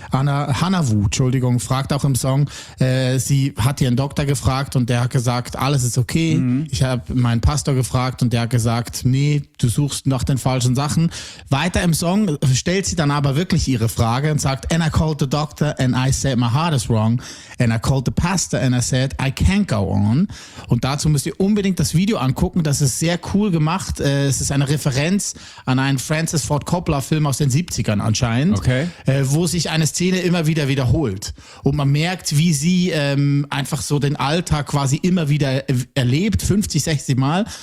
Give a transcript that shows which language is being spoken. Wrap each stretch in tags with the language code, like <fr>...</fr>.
<de>Hannah Wu fragt auch im Song, sie hat ihren Doktor gefragt und der hat gesagt, alles ist okay. Mhm. Ich habe meinen Pastor gefragt und der hat gesagt, nee, du suchst nach den falschen Sachen. Weiter im Song stellt sie dann aber wirklich ihre Frage und sagt,</de> <en>and I called the doctor and I said my heart is wrong. And I called the pastor and I said, I can't go on.</en> <de>Und dazu müsst ihr unbedingt das Video angucken. Das ist sehr cool gemacht. Es ist eine Referenz an einen Francis Ford Coppola Film aus den 70ern anscheinend, wo sich eine Szene immer wieder wiederholt. Und man merkt, wie sie einfach so den Alltag quasi immer wieder erlebt, 50, 60 Mal.</de>